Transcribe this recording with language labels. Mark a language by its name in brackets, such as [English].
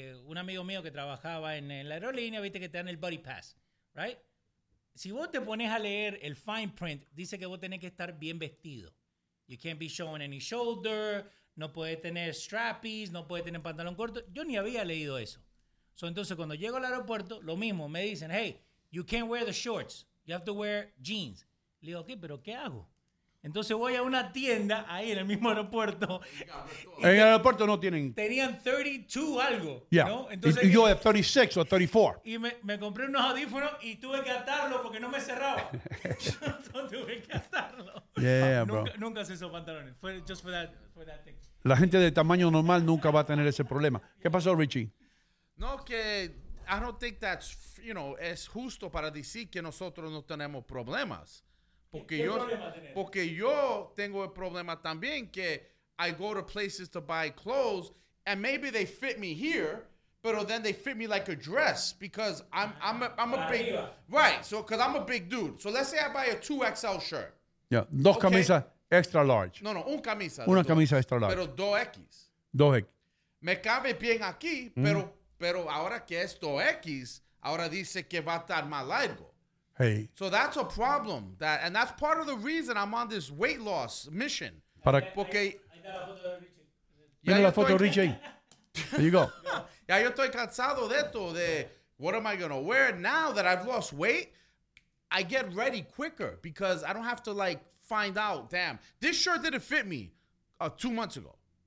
[Spanish] Un amigo mío que trabajaba en la aerolínea, viste que te dan el buddy pass, right? Si vos te pones a leer el fine print, dice que vos tenés que estar bien vestido. [English] You can't be showing any shoulder. [Spanish] No puede tener strappies, no puede tener pantalón corto. Yo ni había leído eso. So, entonces, cuando llego al aeropuerto, lo mismo. Me dicen, [English] hey, you can't wear the shorts. You have to wear jeans. [Spanish] Le digo, okay, ¿pero qué hago? Entonces, voy a una tienda ahí en el mismo aeropuerto. En el aeropuerto no tienen. Tenían 32 algo. [English] Yeah. [Spanish] ¿No? Entonces, yo 36 o 34. Y me compré unos audífonos y tuve que atarlo porque no me cerraba. tuve que atarlo. [English] Yeah, [Spanish] nunca, [English] bro. [Spanish] Nunca se hizo pantalones. Fue [English] just for that. [Spanish] La gente de tamaño normal nunca va a tener ese problema. ¿Qué pasó, Richie? No, que [English] I don't think that's, you know, [Spanish] es justo para decir que nosotros no tenemos problemas. Porque yo tengo el problema también que [English] I go to places to buy clothes and maybe they fit me here, pero then they fit me like a dress because I'm a big, right, so because I'm a big dude. So let's say I buy a 2XL shirt. [Spanish] Yeah, dos camisas. Extra large. No, un camisa. Una camisa extra large. Pero 2X. 2X. Me cabe bien aquí, pero ahora que es 2X, ahora dice que va a estar más largo. [English] Hey. So that's a problem. And that's part of the reason I'm on this weight loss mission. [Spanish] Para, porque... Mira la foto de Richie. [English] There you go. [Spanish] Ya yo estoy cansado de esto, de [English] what am I going to wear now that I've lost weight? I get ready quicker because I don't have to like find out, damn, this shirt didn't fit me 2 months ago.